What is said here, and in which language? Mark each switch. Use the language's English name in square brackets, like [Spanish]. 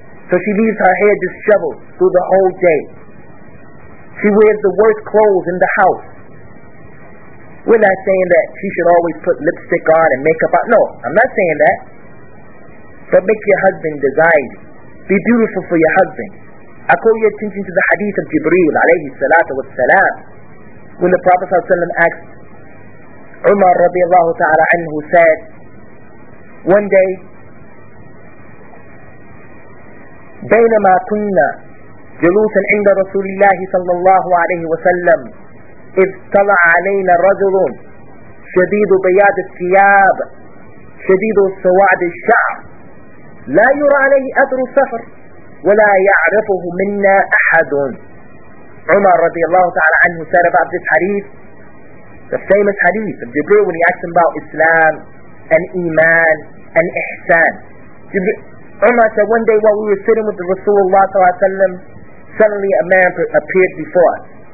[English] So she leaves her hair disheveled through the whole day. She wears the worst clothes in the house. We're not saying that she should always put lipstick on and makeup on. No, I'm not saying that. But make your husband desire you. Be beautiful for your husband. I call your attention to the hadith of Jibreel alayhi salatu wa salam, when the Prophet asked Umar radiallahu ta'ala anhu, said, one day, [Arabic] بينما كنا جلوسا عند رسول الله صلى الله عليه وسلم إذ طلع علينا رجل شديد بياض الثياب شديد سواد الشعر لا يرى عليه أثر صفر ولا يعرفه منا أحد. عمر رضي الله تعالى عنه [English] said about this hadith, the famous hadith of Jibreel when he asked him about Islam and Iman and Ihsan. Umar said, one day while we were sitting with the Rasulullah, suddenly a man appeared before us.